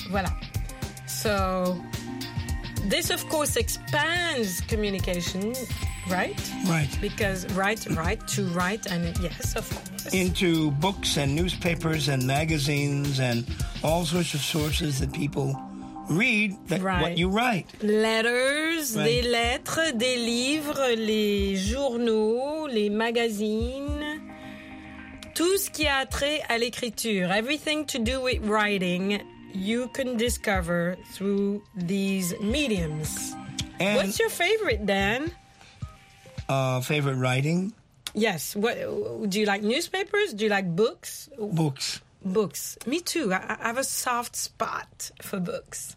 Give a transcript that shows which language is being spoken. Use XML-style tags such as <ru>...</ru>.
<en>Voilà. So, this of course expands communication, right? Right. Because write, and yes, of course. Into books and newspapers and magazines and all sorts of sources that people read that right. What you write. Letters, right.</en> <fr>Des lettres, des livres, les journaux, les magazines, tout ce qui a trait à l'écriture.</fr> <en>Everything to do with writing, you can discover through these mediums. And what's your favorite, Dan? Favorite writing? Yes. What, do you like newspapers? Do you like books? Books. Books. Me too. I have a soft spot for books.</en>